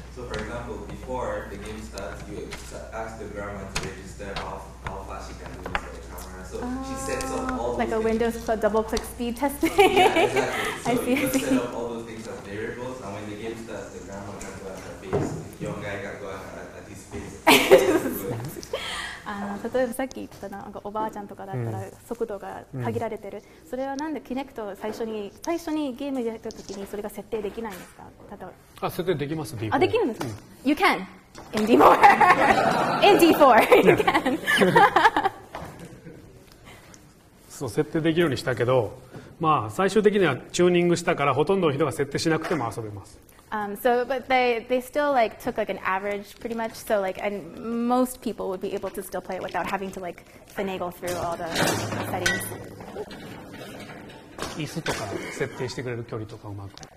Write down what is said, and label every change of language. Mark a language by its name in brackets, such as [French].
[English] So for example, before the game starts, you ask the ground mount to register how fast you can do this. So she sets up all like those a Windows double click speed testing. Yeah, exactly. So I see. You can set up all those things as variables, and when the game starts, the grandma can go at her pace, the young guy can go at his pace. [Japanese] あの例えばさっき言ったなんかおばあちゃんとかだったら速度が限られてる、うん、それはなんでキネクト最初にゲームやった時にそれが設定できないんですか。例えば設定できます。 D4 あできるんですか、うん、 [English] You can in D4 in D4 you can [Japanese] そう設定できるようにしたけど、まあ、最終的にはチューニングしたからほとんどの人が設定しなくても遊べます。 [English] But they still like took like an average pretty much, so like and most people would be able to still play it without having to like finagle through all the settings. [Japanese] 椅子とか設定してくれる距離とかうまく。